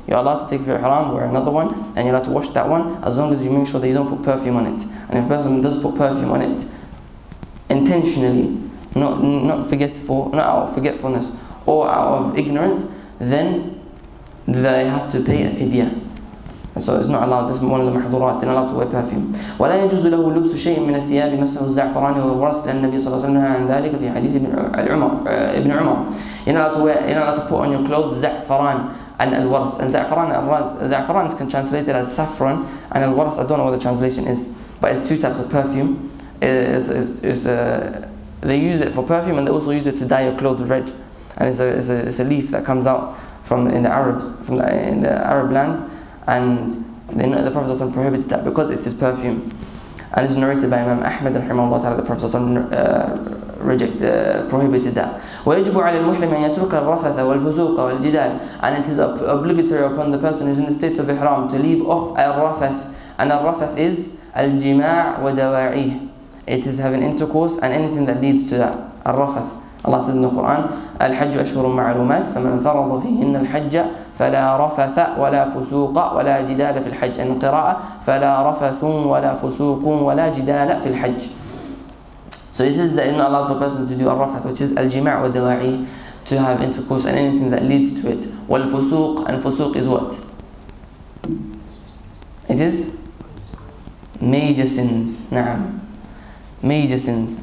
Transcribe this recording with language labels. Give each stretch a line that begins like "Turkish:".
English: You're allowed to take your ihram, wear another one, and you're allowed to wash that one as long as you make sure that you don't put perfume on it. And if a person does put perfume on it intentionally, not forgetful, not out of forgetfulness or out of ignorance, then they have to pay a fidya. So it's not allowed. This is one of the mahdurat. They're not allowed to wear perfume.
Arabic: ولا يجوز له لبس شيء من الثياب مسه الزعفران والورس لأن النبي صلى الله عليه وسلم عن ذلك في حديث ابن عمر.
English: You're not allowed to put on your clothes زعفران and الورس. And زعفران الورس. زعفران is translated as saffron and الورس. I don't know what the translation is, but it's two types of perfume. They use it for perfume and they also use it to dye your clothes red. And it's a leaf that comes out from the Arab lands. And the Prophet ﷺ prohibited that because it is perfume. And this is narrated by Imam Ahmad rahimahullah ta'ala, the Prophet ﷺ prohibited that.
Arabic: وَيَجْبُ عَلَى الْمُحْرِمِ أَنْ يَتْرُكَ الرَّفَثَ وَالْفُزُوقَ وَالْجِدَالِ.
English: And it is obligatory upon the person who is in the state of ihram to leave off al-rafath. And al-rafath is al-jima' wa dawa'ih. It is having intercourse and anything that leads to that. Al-rafath. Allah says in the Quran,
Arabic: الحج أشهر معلومات فمن فرض فيهن الحج فلا رفث ولا فسوق ولا جدال في الحج. And القراءة فلا رفث ولا فسوق ولا جدال في الحج.
English: So it says that in Allah for a person to do al-rafath, which is al-jima' wa dawa'i, to have intercourse and anything that leads to it. Wal-fusuq, and fusuq is what? It is major sins.
Arabic: نعم.
English: Major sins.